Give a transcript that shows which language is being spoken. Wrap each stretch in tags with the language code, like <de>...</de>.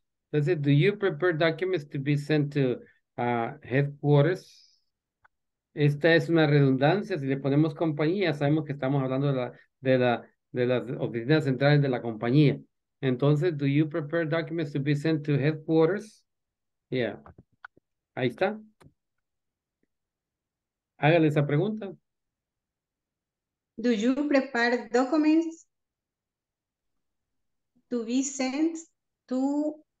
<en>Entonces, do you prepare documents to be sent to headquarters?</en> <es>Esta es una redundancia. Si le ponemos compañía, sabemos que estamos hablando de las oficinas centrales de la compañía.</es> <en>Entonces, do you prepare documents to be sent to headquarters? Yeah.</en> <es>Ahí está. Hágale esa pregunta.</es> <en>Do you prepare documents to be sent to</en>